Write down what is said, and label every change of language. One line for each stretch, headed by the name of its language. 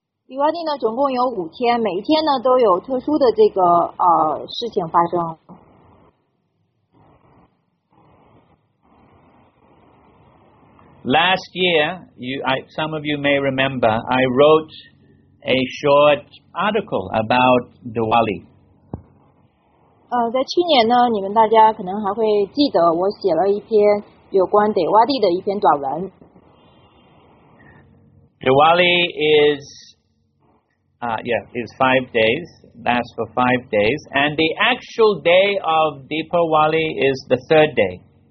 Chinese: Diwali 呢总共有五天，每一天呢都有特殊的这个事情发生。
English: Last year, some of you may remember, I wrote a short article about Diwali.
Chinese: 在去年呢，你们大家可能还会记得，我写了一篇有关 Diwali 的一篇短文。
English: Diwali is 5 days, lasts for 5 days, and the actual day of Deepavali is the third day.